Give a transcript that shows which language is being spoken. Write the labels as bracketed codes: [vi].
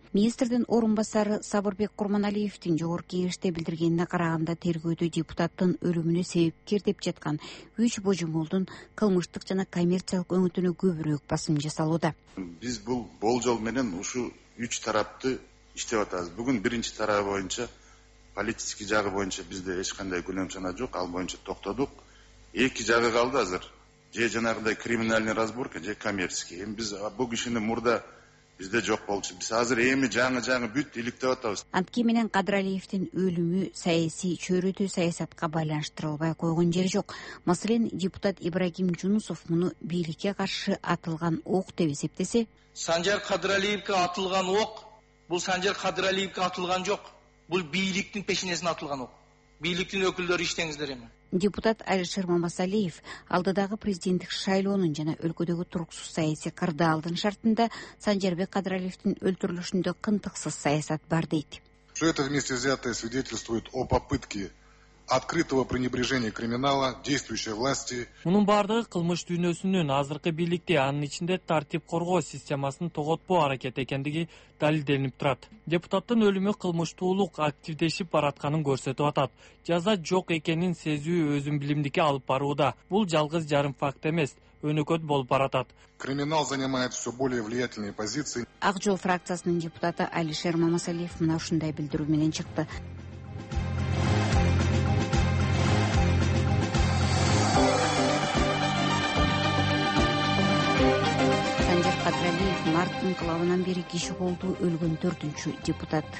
[ky] министрдин орун басары Сабырбек Курманалиевдин жогору кеңеште билдиргенине караганда тергөөдө депутаттын өлүмүнө себепкер деп жаткан үч божомолдун кылмыштык жана коммерциялык өңүтүнө көбүрөөк басым жасалууда. Биз бул болжол менен ушул үч тарапты иштеп атабыз. Бүгүн биринчи тарабы боюнча политический жагы боюнча бизде эч кандай күнөм сана жок, ал боюнча токтодук. Эки жагы калды азыр. Же жанагындай [ru] криминальный разборка, [ky] же [ru] коммерческий. [ky] Эми биз бул кишини мурда бизде жок болчу. Биз азыр эми жаңы бүт иликтеп атабыз. Антке менен Кадыралиевдин өлүмү саясий чөйрөтүү саясатка байланыштырылбай койгон жери жок. Маселен, депутат Ибрагим Жунусов муну бийликке каршы атылган ок деп эсептесе. Санжар Кадыралиевке атылган ок, бул Санжар Кадыралиевке атылган жок. Бул бийликтин пешинесине атылган ок. Бийликтин өкүлдөрү иштеңиздер эми. Депутат Алишер Мамасалиев алдыдагы президенттик шайлоонун жана өлкөдөгү туруксуз саясий кырдаалдын шартында Санжарбек Кадыралиевдин өлтүрүлүшүндө кынтыксыз саясат бар дейт. [ru] Все это вместе взятое свидетельствует о попытке открытого пренебрежения криминала действующей власти. [ky] Мунун баардыгы кылмыш дүйнөсүнүн азыркы бийликте анын ичинде тартип коргоо системасын тоготпоо аракет экендиги далилденип турат. Депутаттын өлүмү кылмыштуулук активдешип баратканын көрсөтүп атат. Жаза жок экенин сезүү өзүн билимдикке алып барууда. Бул жалгыз жарым факт эмес. Өнөкөт болуп баратат. [ru] Криминал занимает все более влиятельные позиции. [ky] Ак жол фракциясынын депутаты Алишер Мамасалиев мына ушундай билдирүү менен чыкты. Марттын кылабынан бери киши колду өлгөн төртүнчү депутат.